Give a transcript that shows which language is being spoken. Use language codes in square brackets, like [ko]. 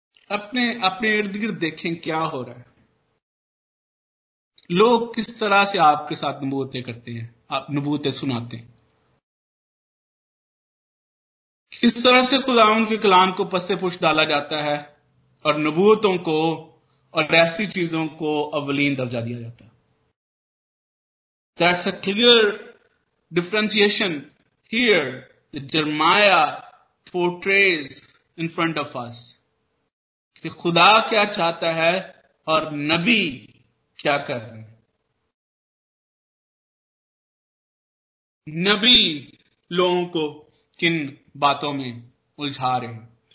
[ur] اپنے ارد گرد دیکھیں کیا ہو رہا ہے، لوگ کس طرح سے آپ کے ساتھ نبوتیں کرتے ہیں، آپ نبوتیں سناتے ہیں، اس طرح سے خداوند کے کلام کو پسے پشت ڈالا جاتا ہے اور نبوتوں کو اور ایسی چیزوں کو اولین درجہ دیا جاتا ہے. [en] That's a clear differentiation here that Jeremiah portrays in front of us. [ur] کہ خدا کیا چاہتا ہے اور نبی کیا کر رہے ہیں. نبی لوگوں کو کن باتوں میں الجھا رہے ہیں.